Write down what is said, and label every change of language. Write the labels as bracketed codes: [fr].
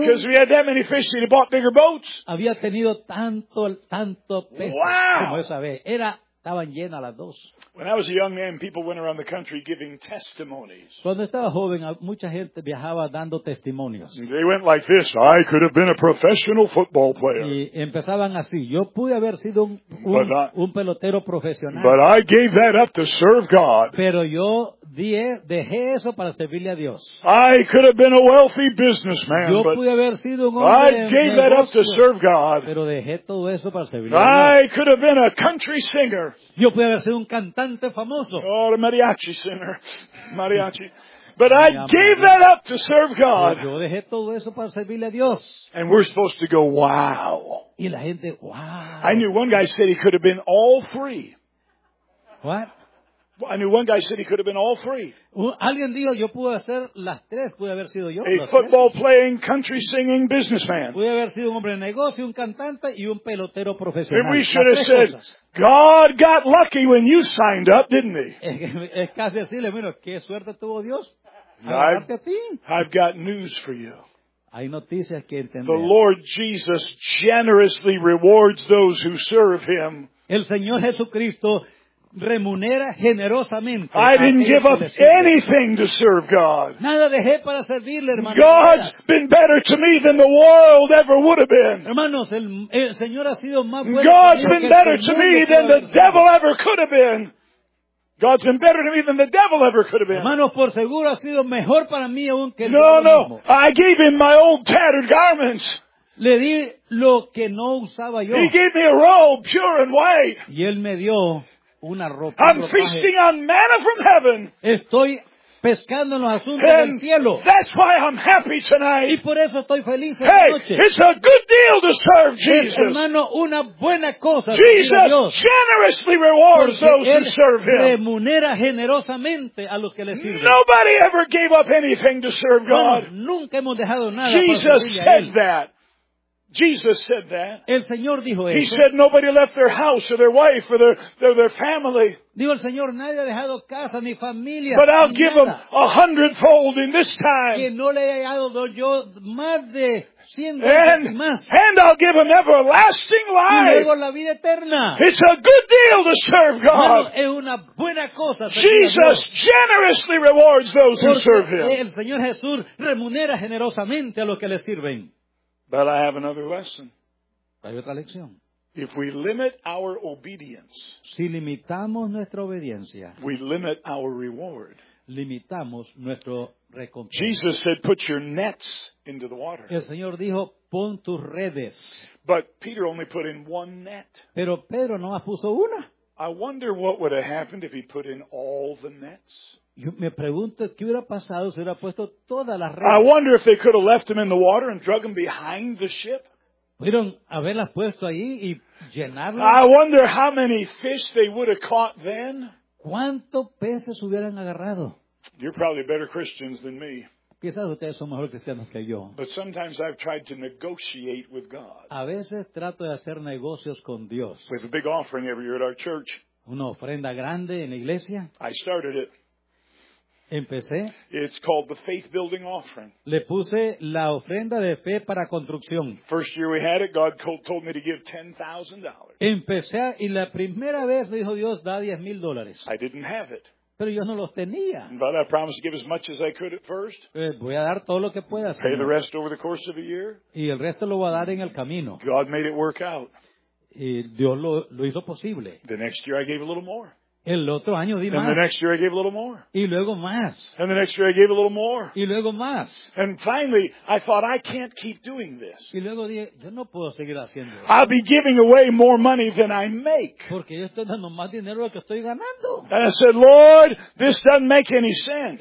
[en] Because we had that many fish, he'd bought bigger boats. [es] Había tenido tanto peces. [en] Wow. [es] Como esa vez. Estaban llenas las dos. [en] When I was a young man, people went around the country giving testimonies. [es] Cuando estaba joven, mucha gente viajaba dando testimonios. [en] They went like this: I could have been a professional football player. [es] Y empezaban así: yo pude haber sido un pelotero profesional. [en] But I gave that up to serve God. [es] Pero yo dejé eso para servirle a Dios. [en] I could have been a wealthy businessman. [es] Yo [en] but [es] pude haber sido un hombre [en] I gave that up to serve God. [es] Pero dejé todo eso para servirle [en] I [es] a Dios. [en] I could have been a country singer. [es] Yo pude haber sido un cantante famoso. [en] Or a mariachi singer. Mariachi. But I gave that up to serve God. [es] Yo dejé todo eso para servirle a Dios. [en] And we're supposed to go, wow. [es] Y la gente, wow. [en] I knew one guy said he could have been all three. What? I knew one guy said he could have been all three. [es] Alguien dijo yo pude hacer las tres, pude haber sido yo. [en] A football playing, country singing businessman. [es] Pude haber sido un hombre de negocio, un cantante y un pelotero profesional. [en] And we should have said, God got lucky when you signed up, didn't he? [es] Es casi así, le digo, qué suerte tuvo Dios. [en] I've got news for you. [es] Hay noticias que entender. [en] The Lord Jesus generously rewards those who serve him. [es] El Señor Jesucristo remunera generosamente. [en] I didn't give up anything to serve God. [es] Nada dejé para servirle, hermano. [en] God's been better to me than the world ever would have been. [es] Hermanos, el Señor ha sido más bueno. [en] God's been better to me than the devil ever could have been. God's been better to me than the devil ever could have been. [es] Hermanos, por seguro ha sido mejor para mí aún que el diablo mismo. [en] No, I gave him my old tattered garments. [es] Le di lo que no usaba yo. [en] He gave me a robe pure and white. [es] Y él me dio una ropa. [en] I'm feasting on manna from heaven. [es] Estoy pescando en los asuntos del cielo. [en] That's why I'm happy tonight. [es] Y por eso estoy feliz esta noche. [en] It's a good deal to serve Jesus. [es] Hermano, una buena cosa. [en] Jesus generously rewards those who serve him. [es] Remunera generosamente a los que le sirven. [en] Nobody ever gave up anything to serve God. [es] Nunca hemos dejado nada. [en] Jesus said that. Jesus said that. [es] El Señor dijo eso. [en] He said nobody left their house or their wife or their family. [es] Dijo el Señor, nadie ha dejado casa ni familia. [en] But I'll give them a hundredfold in this time. [es] Que no le he dado yo más de 100 veces más. [en] And I'll give them everlasting life. [es] Y luego la vida eterna. [en] It's a good deal to serve God. [es] Es una buena cosa. [en] Jesus generously rewards those who serve him. [es] El Señor Jesús remunera generosamente a los que le sirven. [en] But I have another lesson. [es] Hay otra lección. [en] If we limit our obedience, [es] si limitamos nuestra obediencia, [en] we limit our reward. [es] Limitamos nuestro recompensa. [en] Jesus said, "Put your nets into the water." [es] El Señor dijo, "Pon tus redes." [en] But Peter only put in one net. [es] Pero Pedro no más puso una. [en] I wonder what would have happened if he put in all the nets. [es] Yo me pregunto qué hubiera pasado si hubiera puesto todas las redes. [en] I wonder if they could have left him in the water and drug him behind the ship. [es] Pudieron haberlas puesto ahí y llenarlas. [en] I wonder how many fish they would have caught then. [es] ¿Cuántos peces hubieran agarrado? [en] You're probably better Christians than me. [es] Quizás ustedes son mejores cristianos que yo. [en] But sometimes I've tried to negotiate with God. [es] A veces trato de hacer negocios con Dios. [en] With a big offering every year at our church. [es] Una ofrenda grande en la iglesia. [en] I started it. [es] Empecé. [en] It's called the faith building offering. [es] Le puse la ofrenda de fe para construcción. [en] First year we had it, God told me to give $10,000. [es] Empecé y la primera vez me dijo Dios, da $10,000. [en] I didn't have it. [es] Pero yo no los tenía. [en] But I promised to give as much as I could at first. [es] Voy a dar todo lo que pueda. [en] Pay the rest over the course of a year. [es] Y el resto lo voy a dar en el camino. [en] God made it work out. [es] Y Dios lo hizo posible. [en] The next year I gave a little more. [es] El otro año di [en] and [es] más. [en] The next year I gave a little more. [es] Y luego más. [en] And the next year I gave a little more. [es] Y luego más. [en] And finally, I thought, I can't keep doing this. [es] Y luego dije, yo no puedo seguir haciendo esto. [en] I'll be giving away more money than I make. [es] Porque yo estoy dando más dinero de lo que estoy ganando. [en] And I said, Lord, this doesn't make any sense.